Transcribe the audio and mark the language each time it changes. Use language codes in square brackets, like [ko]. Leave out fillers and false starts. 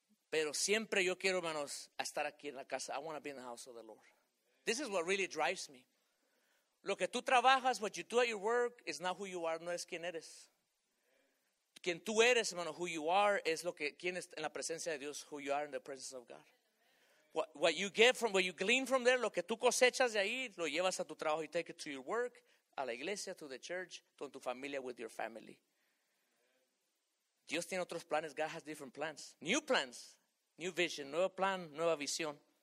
[es] Pero siempre yo quiero, hermanos, estar aquí en la casa. [en] I want to be in the house of the Lord. This is what really drives me. [es] Lo que tú trabajas, [en] what you do at your work, is not who you are, [es] no es quien eres. Quien tú eres, hermano, [en] who you are, [es] es lo que, quien es en la presencia de Dios, [en] who you are in the presence of God. What you get from, what you glean from there, [es] lo que tú cosechas de ahí, lo llevas a tu trabajo. [en] You take it to your work, [es] a la iglesia, [en] to the church, to [es] tu familia, [en] with your family. [es] Dios tiene otros planes. [en] God has different plans. New plans, new vision, [es] nuevo plan, nueva visión.